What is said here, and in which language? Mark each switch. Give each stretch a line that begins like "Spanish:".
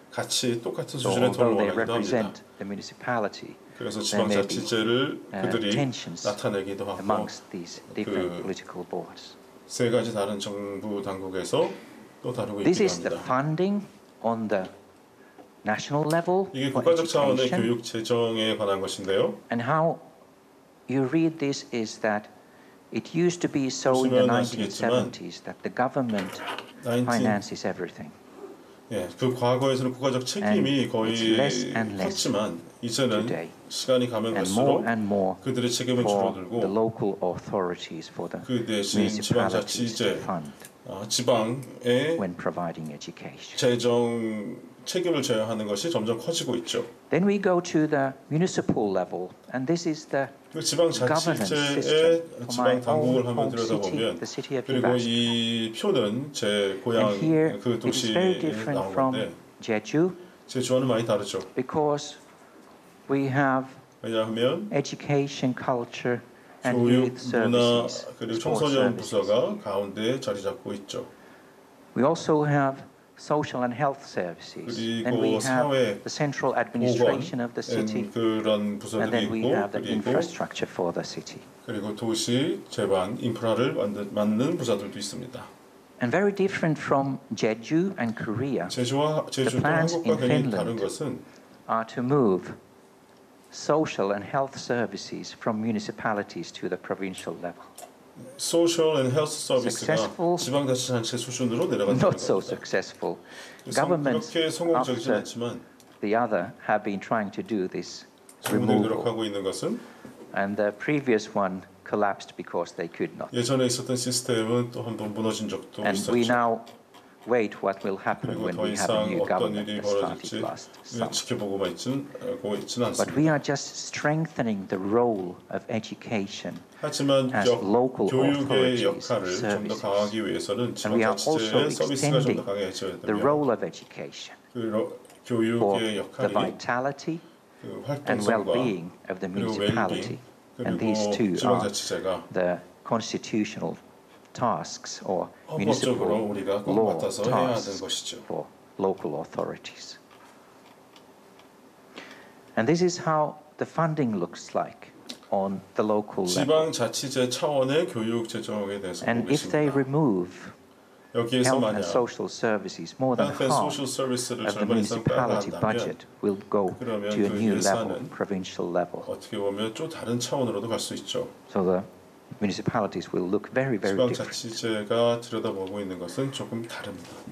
English: So although they represent the municipality, there may be tensions amongst these different political boards.
Korean: 세 가지 다른 정부 당국에서 또 다루고
English: This is the funding on the national level.
Korean: 이게 국가적 차원의 교육 재정에 관한 것인데요.
English: And how you read this is that it used to be so in the 1970s that the government finances everything.
Korean: 예, 그 과거에서는 국가적 책임이 거의 컸지만 이제는 시간이 가면 갈수록 그들의 책임은 줄어들고
English: the local authorities for the
Korean: 그 대신 지방자치제, 지방의
English: when providing education.
Korean: 재정 책임을 져야 하는 것이 점점 커지고 있죠.
English: Then we go to the municipal level, and this is the
Korean: 지방자치제의 지방 당국을 한번 들여다보면, 그리고 이 표는 제 고향 그 도시에 나오는데, 제주와는 많이 다르죠.
English: Because we have education, culture, and youth services.
Korean: 그리고 청소년 부서가 가운데 자리 잡고 있죠.
English: We also have social and health services.
Korean: 그리고 사회,
English: the central administration of the city.
Korean: 그런 부서들이
English: and then we
Korean: 있고,
English: have the infrastructure for the city.
Korean: 그리고 도시 재방 인프라를 만드는 부서들도 있습니다.
English: And very different from Jeju and Korea.
Korean: 제주와 제주도 한국과 굉장히 다른 것은
English: are to move social and health services from municipalities to the provincial level. Social and health services
Korean: 가 지방자치단체 수준으로 내려가는
English: not so successful. Governments after the other have been trying to do this removal. And the previous one collapsed because they could not.
Korean: 예전에 있었던 시스템은 또 한 번 무너진 적도 있었죠.
English: And we now wait what will happen when we have a new government that started last summer. But we are just strengthening the role of education as local authorities services. And we are also extending the role of education for the vitality and well-being of the municipality. And these two are the constitutional tasks or municipal law tasks for local authorities. And this is how the funding looks like on the local level.
Korean: 지방자치제 차원의 교육 재정에 대해서 보겠습니다.
English: And if they remove health and social services, more than half of the municipality budget will go to a new level, provincial level.
Korean: 어떻게 보면 또 다른 차원으로도 갈 수 있죠.
English: So the municipalities will look very, very different.
Korean: 지방자치제가 들여다보고 있는 것은 조금 다릅니다.